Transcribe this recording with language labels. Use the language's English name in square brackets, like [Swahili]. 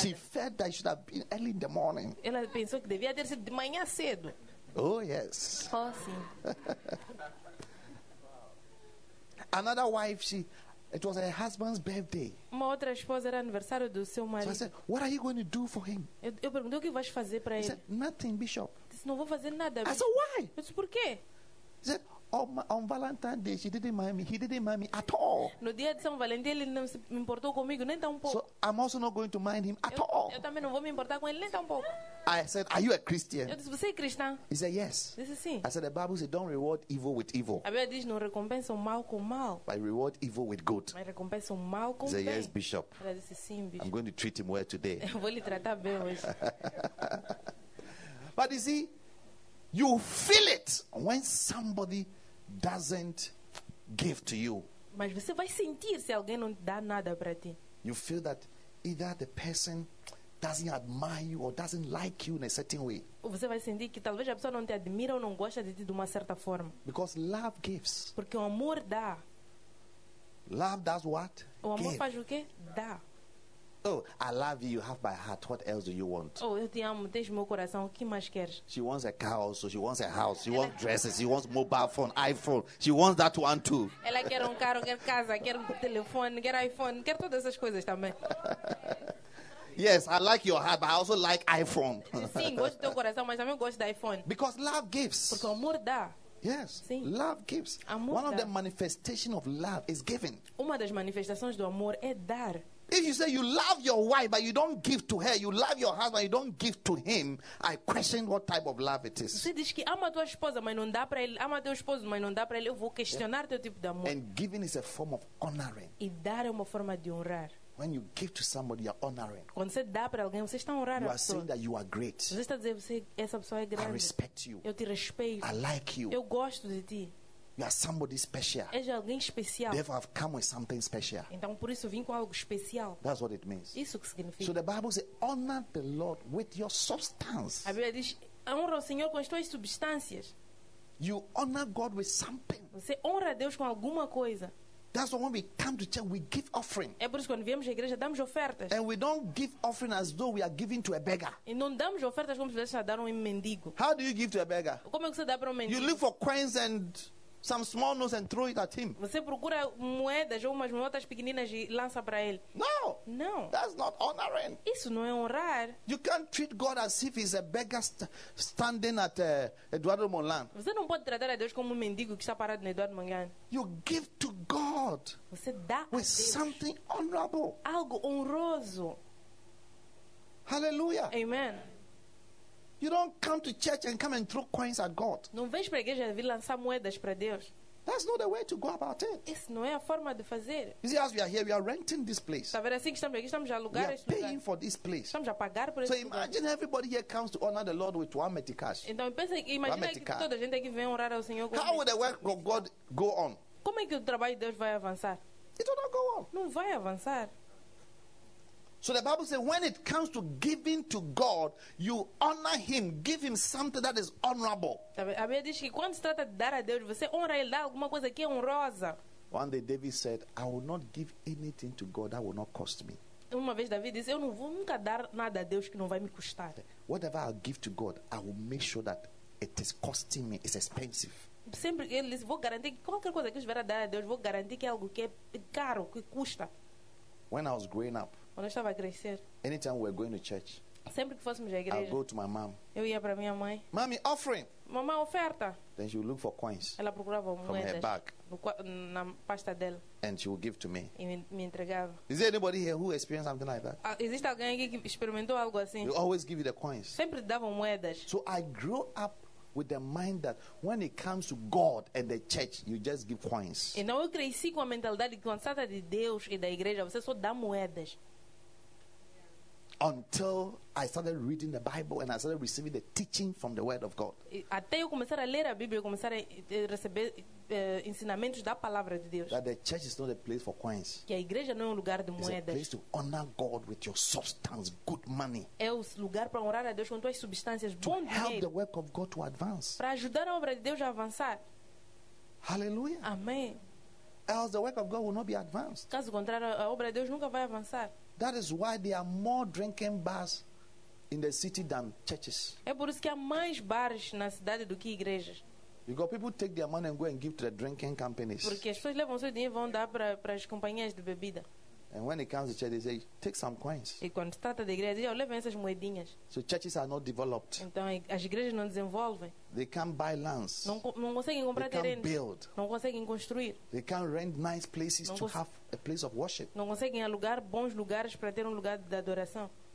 [English] She felt that it should have been early in the morning. [Portuguese] Ela pensou que devia ter sido de manhã cedo. [English] Oh, yes. [Portuguese] Oh, sim. [English] Another wife, it was her husband's birthday. [Portuguese] Uma outra esposa era aniversário do seu marido. [English] So I said, what are you going to do for him? [Portuguese] Eu perguntei o que vais fazer para ele. [English] Said, nothing, Bishop. [Portuguese] Disse, não vou fazer nada. [English] I said, why? [Portuguese] Eu disse, por quê? [English] He said, on Valentine's Day, he didn't mind me at all. [Portuguese] No dia de São Valentim, ele não se importou comigo nem tão pouco. [English] So I'm also not going to mind him at all. [Portuguese] Eu também não vou me importar com ele nem tão pouco. [English] I said, are you a Christian? [Portuguese] Eu disse, você é cristã? [English] He said, yes. [Portuguese] Disse, sim. [English] I said, the Bible says, don't reward evil with evil. [Portuguese] A Bíblia diz, não recompensa o mal com mal. [English] But reward evil with good. [Portuguese] Mas recompensa o mal com bem. [English] He said, yes, Bishop. [Portuguese] Ela disse, sim, Bishop. [English] I'm going to treat him well today. [Portuguese] Eu vou lhe tratar bem hoje. [English] But you see, you feel it when somebody doesn't give to you. [Portuguese] Mas você vai sentir se alguém não dá nada para ti. [English] You feel that either the person doesn't admire you or doesn't like you in a certain way. [Portuguese] Você vai sentir que talvez a pessoa não te admira ou não gosta de ti de uma certa forma. [English] Because love gives. [Portuguese] Porque o amor dá. [English] Love does what? [Portuguese] O amor give. Faz o quê? Dá. [English] Oh, I love you. You have my heart. What else do you want? [Portuguese] Oh, eu te amo. Tens meu coração. O que mais queres? [English] She wants a car also. She wants a house. She wants dresses. She wants mobile phone, iPhone. She wants that one too. [Portuguese] Ela quer carro, quer casa, quer telefone, quer iPhone, quer todas essas coisas também. [English] Yes, I like your heart, but I also like iPhone. [Portuguese] Sim, gosto do teu coração, mas também gosto do iPhone. [English] Because love gives. [Portuguese] Porque o amor dá. [English] Yes, [Portuguese] sim. [English] Love gives. [Portuguese] Amor [English] one [Portuguese] dá. [English] Of the manifestations of love is giving. [Portuguese] Uma das manifestações do amor é dar. [English] If you say you love your wife but you don't give to her, you love your husband you don't give to him, I question what type of love it is. [Portuguese] Você diz que ama tua esposa, mas não dá para ele. Ama teu esposo, mas não dá para ele. Eu vou questionar teu tipo de amor. [English] And giving is a form of honoring. [Portuguese] E dar é uma forma de honrar. [English] When you give to somebody, you're honoring. [Portuguese] Quando você dá para alguém, você está honrando. [English] You are saying that you are great. [Portuguese] Você está dizendo que essa pessoa é grande. [English] I respect you. [Portuguese] Eu te respeito. [English] I like you. [Portuguese] Eu gosto de ti. [English] You are somebody special. [Portuguese] És alguém especial. [English] Therefore, I've come with something special. [Portuguese] Então, por isso vim com algo especial. [English] That's what it means. [Portuguese] Isso que significa. [English] So the Bible says, honor the Lord with your substance. [Portuguese] A Bíblia diz, honra o Senhor com as tuas substâncias. [English] You honor God with something. [Portuguese] Você honra Deus com alguma coisa. [English] That's why when we come to church, we give offering. [Portuguese] É por isso quando viemos à igreja damos ofertas. [English] And we don't give offering as though we are giving to a beggar. [Portuguese] E não damos ofertas como se estivéssemos a dar a um mendigo. [English] How do you give to a beggar? [Portuguese] Como é que você dá para um mendigo? [English] You look for coins and some small notes and throw it at him. [Portuguese] Você procura moedas ou umas notas pequeninas e lança para ele. [English] No. [Portuguese] No. [English] That's not honoring. [Portuguese] Isso não é honrar. [English] You can't treat God as if he's a beggar standing at Eduardo Molan. [Portuguese] Você não pode tratar a Deus como um mendigo que está parado no Eduardo Molan. [English] You give to God. [Portuguese] Você dá a [English] with [Portuguese] Deus [English] something honorable. [Portuguese] Algo honroso. [English] Hallelujah. [Portuguese] Amen. [English] You don't come to church and come and throw coins at God. [Portuguese] Não vens para a igreja vir lançar moedas para Deus. [English] That's not the way to go about it. [Portuguese] Isso não é a forma de fazer. [English] You see, as we are here, we are renting this place. [Portuguese] Está vendo assim que estamos aqui, estamos a alugar este lugar. [English] We are paying for this place. [Portuguese] Estamos a pagar por este lugar. [English] So imagine everybody here comes to honor the Lord with one meticash. [Portuguese] Então pensa, imagina que toda a gente aqui vem honrar ao Senhor com [English] how would the work of God go on? [Portuguese] Como é que o trabalho de Deus vai avançar? [English] It will not go on. [Portuguese] Não vai avançar. [English] So the Bible says, when it comes to giving to God, you honor him, give him something that is honorable. [Portuguese] A Bíblia diz que quando se trata de dar a Deus, você honra ele, dá alguma coisa que é honrosa. [English] One day David said, I will not give anything to God that will not cost me. [Portuguese] Uma vez David disse, eu não vou nunca dar nada a Deus que não vai me custar. [English] Whatever I give to God, I will make sure that it is costing me, it's expensive. [Portuguese] Sempre ele disse, vou garantir que qualquer coisa que eu estiver a dar a Deus, vou garantir que é algo que é caro, que custa. [English] When I was growing up, [Portuguese] quando eu estava a crescer, [English] anytime we were going to church, [Portuguese] sempre que fôssemos à igreja, [English] I'll go to my mom. [Portuguese] Eu ia para minha mãe. [English] Mommy, offering. [Portuguese] Mamãe, oferta. [English] Then she would look for coins. [Portuguese] Ela procurava [English] from [Portuguese] moedas [English] her bag, [Portuguese] na pasta dela. [English] And she would give to me. [Portuguese] E me entregava. [English] Is there anybody here who experienced something like that? [Portuguese] Existe alguém aqui que experimentou algo assim? [English] You always give you the coins. [Portuguese] Sempre davam moedas. [English] So I grew up with the mind that when it comes to God and the church, you just give coins. [Portuguese] E não, eu cresci com a mentalidade que quando se trata de Deus e da igreja, você só dá moedas. [English] Until I started reading the Bible and I started receiving the teaching from the Word of God. [Portuguese] Até eu começar a ler a Bíblia, eu começar a receber ensinamentos da palavra de Deus. [English] That the church is not a place for coins. [Portuguese] Que a igreja não é um lugar de moedas. [English] It's a place to honor God with your substance, good money. [Portuguese] É o lugar para honrar a Deus com tuas substâncias, bom dinheiro. [English] To help the work of God to advance. [Portuguese] Para ajudar a obra de Deus a avançar. [English] Hallelujah. [Portuguese] Amém. [English] Else the work of God will not be advanced. [Portuguese] Caso contrário, a obra de Deus nunca vai avançar. [English] That is why there are more drinking bars in the city than churches. [Portuguese] É por isso que há mais bares na cidade do que igrejas. [English] Because people take their money and go and give to the drinking companies. [Portuguese] Porque as pessoas levam seu dinheiro e vão dar para as companhias de bebida. [English] And when it comes to church, they say, take some coins. [Portuguese] E quando se trata de igreja, dizem, levem essas moedinhas. [English] So churches are not developed. [Portuguese] Então as igrejas não desenvolvem. [English] They can't buy lands. [Portuguese] Não conseguem comprar [English] terrenos. They can't build. [Portuguese] Não conseguem construir. [English] They can't rent nice places to have a place of worship. [Portuguese] Não conseguem alugar bons lugares para ter lugar de adoração.